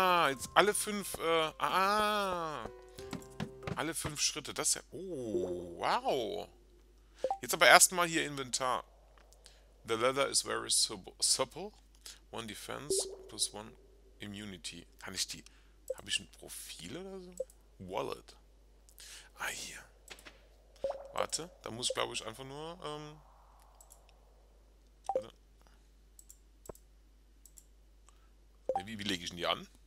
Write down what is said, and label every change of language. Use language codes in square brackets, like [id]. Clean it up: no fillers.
[de] Jetzt alle fünf, alle fünf Schritte, das ist ja, oh, wow. Jetzt Jetzt aber erstmal hier Inventar. [en] The leather is very supple. One defense plus one immunity. [de] Kann ich die... Habe ich ein Profil oder so? Wallet. Ah, hier. Warte, da muss ich, glaube ich, einfach nur... Wie lege ich denn die an?